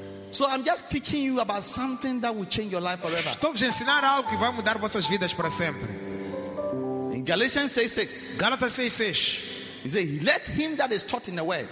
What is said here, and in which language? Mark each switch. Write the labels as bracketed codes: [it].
[en] So I'm just teaching you about something that will change your life forever. [pt] Estou a ensinar algo que vai mudar vossas vidas para sempre. [en] In Galatians 6:6. Galatians 6:6. He said, "Let him that is taught in the word."